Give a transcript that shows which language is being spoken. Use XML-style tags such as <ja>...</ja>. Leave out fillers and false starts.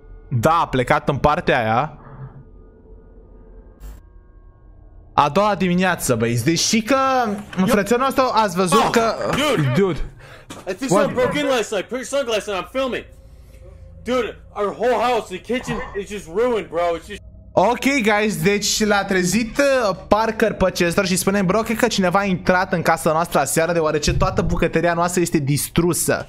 <ro>Da, a plecat în partea aia. A doua dimineață, băi, deși că frățiorul nostru ați văzut că...</ro> <en>Dude! I think someone broke in last night, put your sunglasses on, I'm filming! Dude, our whole house, the kitchen is just ruined, bro, it's just...</en> <ro>Ok, guys, deci l-a trezit Parker pe Chester și spune, bro, cred că cineva a intrat în casa noastră aseară, deoarece toată bucătăria noastră este distrusă.</ro>